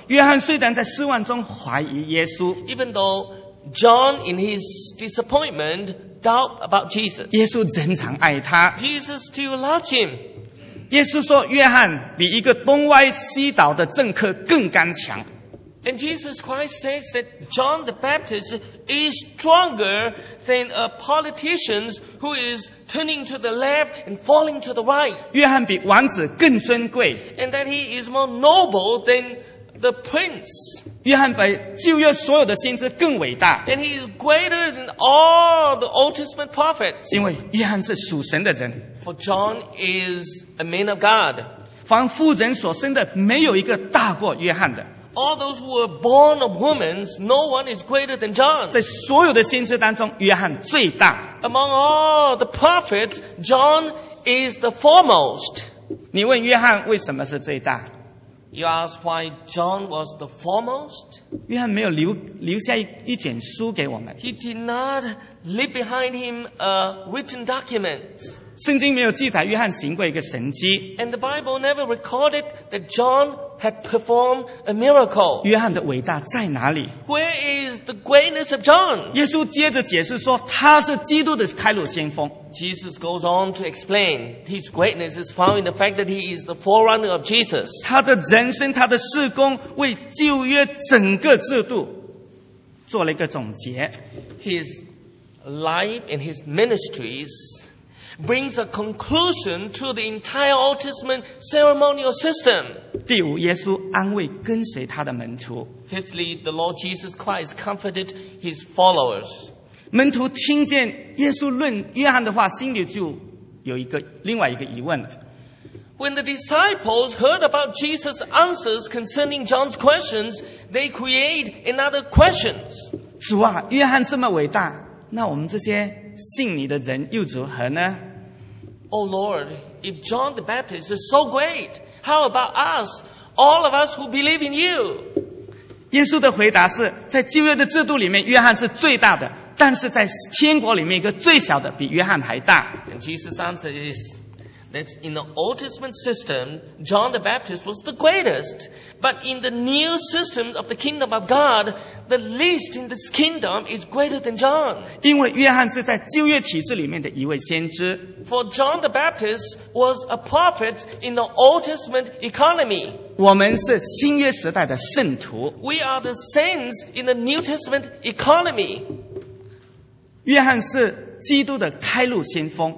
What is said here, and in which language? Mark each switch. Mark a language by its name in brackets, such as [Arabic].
[Chinese] 约翰虽然在失望中怀疑耶稣， [English] even though John in his disappointment doubt about Jesus, [Chinese] 耶稣仍然爱他。 [English] Jesus still loves him. [Chinese] 耶稣说，约翰比一个东歪西倒的政客更刚强。 [English] And Jesus Christ says that John the Baptist is stronger than a politician who is turning to the left and falling to the right. [Chinese] 约翰比王子更尊贵。 [English] And that he is more noble than the prince. [Chinese] 约翰比旧约所有的先知更伟大。 [English] And he is greater than all the Old Testament prophets. [Chinese] 因为约翰是属神的人。 [English] For John is a man of God. [Chinese] 凡妇人所生的，没有一个大过约翰的。 [English] All those who were born of women, no one is greater than John. [Chinese] 在所有的先知当中，约翰最大。 [English] Among all the prophets, John is the foremost. [Chinese] 你问约翰为什么是最大？ [English] You ask why John was the foremost? [Chinese] 约翰没有留下一卷书给我们。 [English] He did not leave behind him a written document. [Chinese] 圣经没有记载约翰行过一个神迹。 [English] And the Bible never recorded that John had performed a miracle. [Chinese] 约翰的伟大在哪里？ [English] Where is the greatness of John? [Chinese] 耶稣接着解释说，他是基督的开路先锋。 [English] Jesus goes on to explain his greatness is found in the fact that he is the forerunner of Jesus. [Chinese] 他的人生，他的事工，为旧约整个制度做了一个总结。 [English] His life and his ministries brings a conclusion to the entire Old Testament ceremonial system. [Chinese] 第五，耶稣安慰跟随他的门徒。 [English] Fifthly, the Lord Jesus Christ comforted his followers. [Chinese] 门徒听见耶稣论约翰的话，心里就有一个另外一个疑问。 [English] When the disciples heard about Jesus' answers concerning John's questions, they create another question. [Chinese] 主啊，约翰这么伟大，那我们这些信你的人又如何呢？ [English] Oh Lord, if John the Baptist is so great, how about us, all of us who believe in you? [Chinese] 耶稣的回答是，在旧约的制度里面，约翰是最大的，但是在天国里面，一个最小的比约翰还大。 [English] And Jesus' answer is, That in the Old Testament system, John the Baptist was the greatest. But in the new system of the kingdom of God, the least in this kingdom is greater than John. [Chinese] 因为约翰是在旧约体制里面的一位先知。 [English] For John the Baptist was a prophet in the Old Testament economy. [Chinese] 我们是新约时代的圣徒。 [English] We are the saints in the New Testament economy. [Chinese] 约翰是基督的开路先锋。